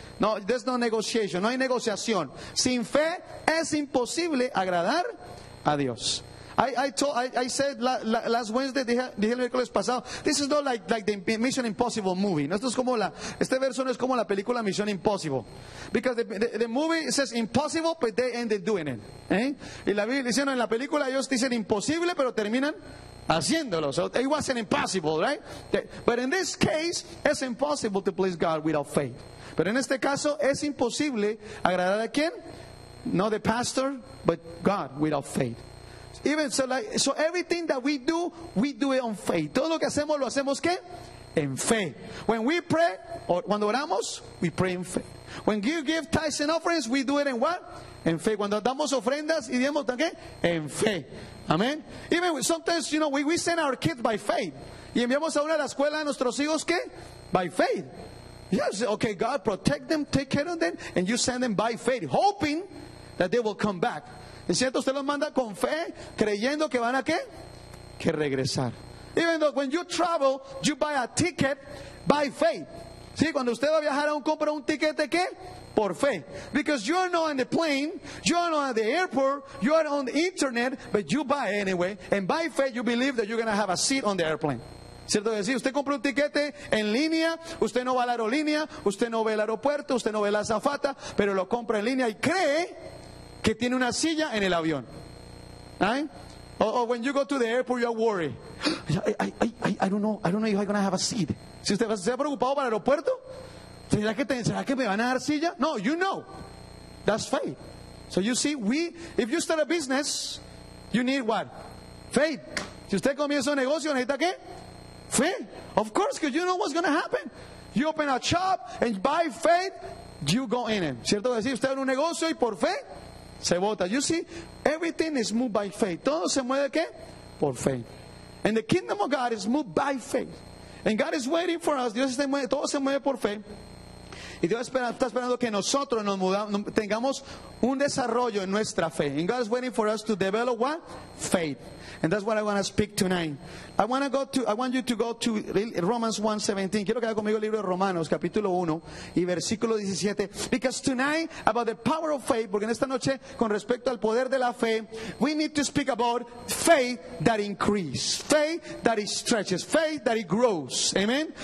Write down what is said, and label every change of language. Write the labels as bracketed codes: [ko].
[en] No, there's no negotiation. [es] No hay negociación. Sin fe es imposible agradar a Dios. [en] I said last Wednesday, [es] dije el miércoles pasado, [en] this is not like the Mission Impossible movie. [es] No, esto es como este verso no es como la película Mission Impossible. [en] Because the movie says impossible, but they ended doing it. ¿Eh? [es] Y la Biblia dice, no, en la película ellos dicen imposible, pero terminan haciéndolo. [en] So it wasn't impossible, right? But in this case, it's impossible to please God without faith. [es] Pero en este caso, es imposible agradar a quién? [en] Not the pastor, but God without faith. Even so, so everything that we do it on faith. [es] Todo lo que hacemos, lo hacemos ¿qué? En fe. [en] When we pray, or [es] cuando oramos, [en] we pray in faith. When you give tithes and offerings, we do it in what? [es] En fe. Cuando damos ofrendas y demos ¿qué? En fe. Amen. [en] Even sometimes, you know, we send our kids by faith. [es] Y enviamos a una a la escuela a nuestros hijos ¿qué? [en] By faith. Yes, okay, God protect them, take care of them, and you send them by faith, hoping that they will come back. [es] ¿Es cierto? Usted los manda con fe, creyendo que van a ¿qué? Que regresar. [en] Even though when you travel, you buy a ticket by faith. [es] ¿Sí? Cuando usted va a viajar, aún compra un ticket de ¿qué? Por fe. [en] Because you are not on the plane, you are not at the airport, you are on the internet, but you buy anyway. And by faith, you believe that you're going to have a seat on the airplane. [es] ¿Cierto? Decir, usted compra un tiquete en línea, usted no va a la aerolínea, usted no ve el aeropuerto, usted no ve la azafata, pero lo compra en línea y cree que tiene una silla en el avión. ¿Eh? [en] Or when you go to the airport, you are worried. I don't know if I'm going to have a seat. [es] Si usted se ha preocupado para el aeropuerto, ¿será que me van a dar silla? [en] No, you know. That's faith. So you see, if you start a business, you need what? Faith. [es] Si usted comienza un negocio, ¿necesita qué? Fe. [en] Of course, because you know what's going to happen. You open a shop, and by faith, you go in it. [es] ¿Cierto? Si usted abre un negocio y por fe, se vota. [en] You see, everything is moved by faith. [es] ¿Todo se mueve qué? Por fe. [en] And the kingdom of God is moved by faith. And God is waiting for us. [es] Dios está mueve, todo se mueve por fe. Y Dios está esperando que nosotros nos mudamos, tengamos un desarrollo en nuestra fe. [en] And God is waiting for us to develop what? Faith. And that's what I want to speak tonight. I want you to go to Romans 1:17. [es] Quiero que haga conmigo el libro de Romanos, capítulo 1 y versículo 17. [en] Because tonight, about the power of faith, [es] porque en esta noche, con respecto al poder de la fe, [en] we need to speak about faith that increases, faith that it stretches, faith that it grows. Amen.